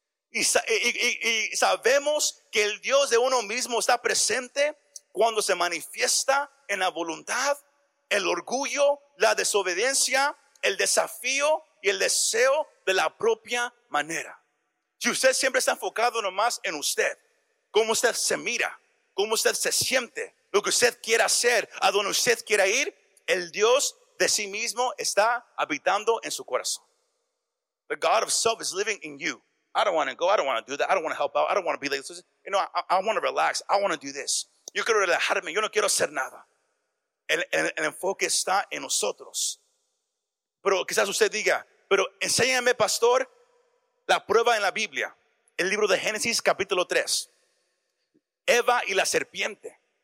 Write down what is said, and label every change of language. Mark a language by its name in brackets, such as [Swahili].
[Spanish] Y sabemos que el Dios de uno mismo está presente cuando se manifiesta en la voluntad, el orgullo, la desobediencia, el desafío y el deseo de la propia manera. Si usted siempre está enfocado nomás en usted, cómo usted se mira, cómo usted se siente, lo que usted quiera hacer, a donde usted quiera ir, el Dios de sí mismo está habitando en su corazón. [English] The God of self is living in you. I don't want to go. I don't want to do that. I don't want to help out. I don't want to be like this. You know, I want to relax. I want to do this. [Spanish] Yo quiero relajarme. Yo no quiero hacer nada. El enfoque está en nosotros. Pero quizás usted diga, pero enséñame, pastor, la prueba en la Biblia. El libro de Génesis, capítulo 3. Eva y la serpiente.